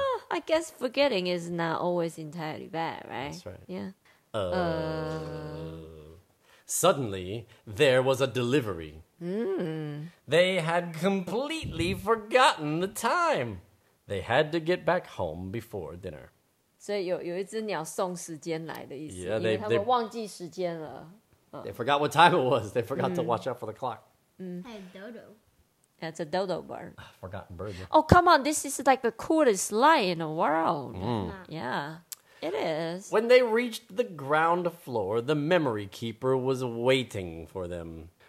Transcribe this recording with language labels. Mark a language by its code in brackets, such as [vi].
[en] I guess forgetting is not always entirely bad, right? That's right. Yeah. Suddenly, there was a delivery. Mm. They had completely forgotten the time. They had to get back home before dinner. [zh] 所以有一只鸟送时间来的意思。 [en] Yeah, they, [zh] 因为他们忘记时间了。 [en] They forgot what time it was. They forgot to watch out for the clock. Hey, dodo. That's a dodo bird. Forgotten bird. Oh, come on. This is like the coolest lion in the world. Yeah, it is. When they reached the ground floor, the memory keeper was waiting for them.